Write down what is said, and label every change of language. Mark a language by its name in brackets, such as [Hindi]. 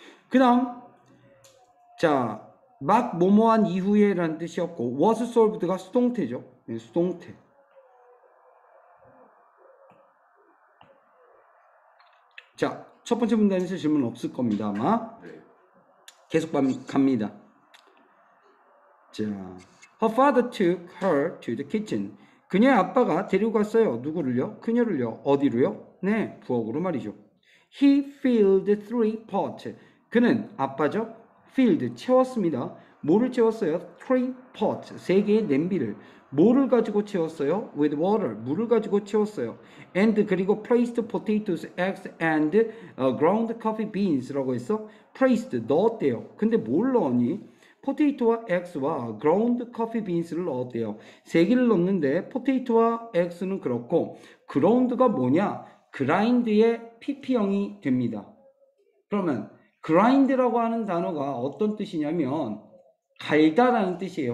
[Korean] 그 다음 자 막 뭐뭐한 이후에 라는 뜻이었고 was solved가 수동태죠. 네, 수동태. 자, 첫 번째 문단에서 질문 없을 겁니다 아마. 계속 갑니다. [English] 자, her father took her to the kitchen. [Korean] 그녀의 아빠가 데리고 갔어요. 누구를요? 그녀를요. 어디로요? 네, 부엌으로 말이죠. [English] He filled three pots. 그는 아빠죠? [Korean] Filled, 채웠습니다. 뭐를 채웠어요? [English] Three pots, [Korean] 세 개의 냄비를. 뭐를 가지고 채웠어요? [English] With water, [Korean] 물을 가지고 채웠어요. [English] And, 그리고 placed potatoes, eggs, and ground coffee beans라고 했어? [Korean] Placed, 넣었대요. 근데 뭘 넣었니? 포테이토와 엑스와 그라운드 커피 빈스를 넣었대요. 세 개를 넣었는데 포테이토와 엑스는 그렇고 그라운드가 뭐냐? 그라인드의 PP형이 됩니다. 그러면 그라인드라고 하는 단어가 어떤 뜻이냐면 갈다라는 뜻이에요.